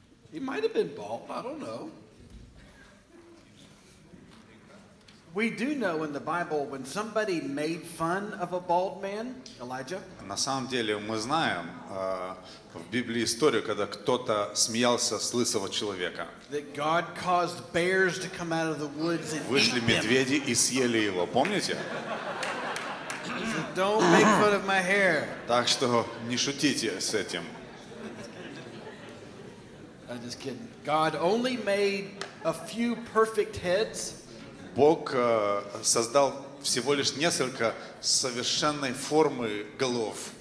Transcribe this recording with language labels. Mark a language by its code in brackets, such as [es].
[en] He might have been bald, I don't know. We do know in the Bible when somebody made fun of a bald man, Elijah. [ru] На самом деле мы знаем в Библии историю, когда кто-то смеялся с лысого человека. [en] That God caused bears to come out of the woods and eat them. [ru] Вышли медведи и съели его, помните? [en] So don't make fun of my hair. [ru] Так что не шутите с этим. [en] I'm just kidding. God only made a few perfect heads. [ru] Бог создал всего лишь несколько совершенной формы голов.